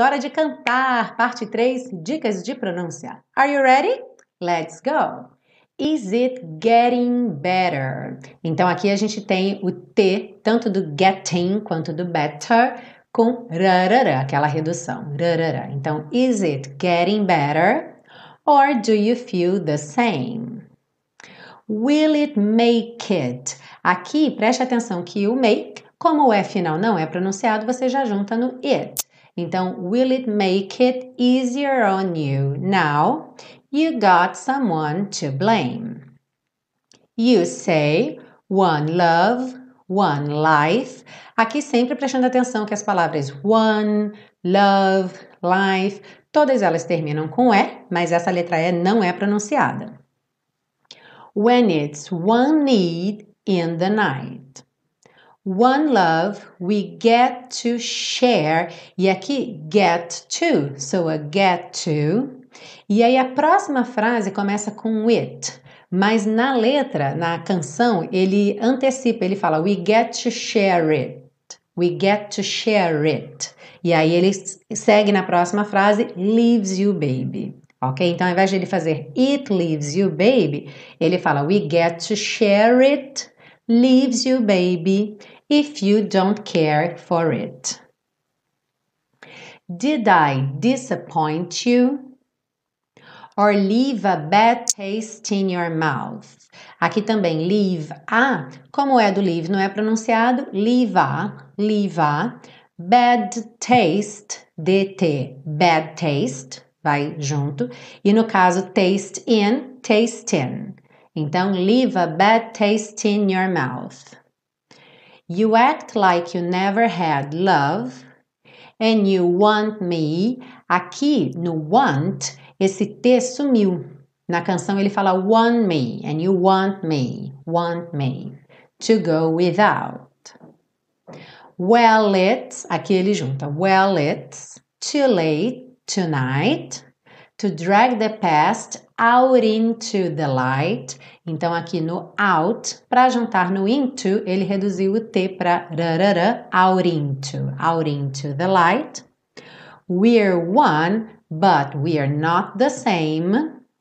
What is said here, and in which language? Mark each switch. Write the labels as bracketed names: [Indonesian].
[Portuguese] Hora de cantar. Parte 3. Dicas de pronúncia. [English] Are you ready? Let's go. Is it getting better? [Portuguese] Então, aqui a gente tem o T, tanto do getting quanto do better, com rarara, aquela redução. Rarara. [English] Então, is it getting better? Or do you feel the same? Will it make it? [Portuguese] Aqui, preste atenção que o make, como o E final não é pronunciado, você já junta no it. [English] Então, will it make it easier on you now? You got someone to blame. You say, one love, one life. [Portuguese] Aqui sempre prestando atenção que as palavras one, love, life, todas elas terminam com E, mas essa letra E não é pronunciada. [English] When it's one need in the night. One love we get to share. [Portuguese] E aqui, get to. So, a get to. E aí, a próxima frase começa com it. Mas na letra, na canção, ele antecipa, ele fala, [English] we get to share it. We get to share it. [Portuguese] E aí, ele segue na próxima frase, [English] leaves you, baby. [Portuguese] Ok? Então, ao invés de ele fazer [English] it leaves you, baby, [Portuguese] ele fala [English] we get to share it, leaves you, baby, if you don't care for it. Did I disappoint you? Or leave a bad taste in your mouth? [Portuguese] Aqui também, leave a, como é do leave, não é pronunciado, [English] leave a, bad taste, [Portuguese] DT, bad taste. Vai junto. E no caso, taste in, taste in. [English] Então, leave a bad taste in your mouth. You act like you never had love. And you want me. [Portuguese] Aqui, no want, esse T sumiu. Na canção, ele fala want me. [English] And you want me to go without. Well, it's, [Portuguese] aqui ele junta, [English] well, it's too late tonight, to drag the past out into the light. [Portuguese] Então, aqui no out, para juntar no into, ele reduziu o T para rarara, [English] out into the light. We're one, but we're not the same.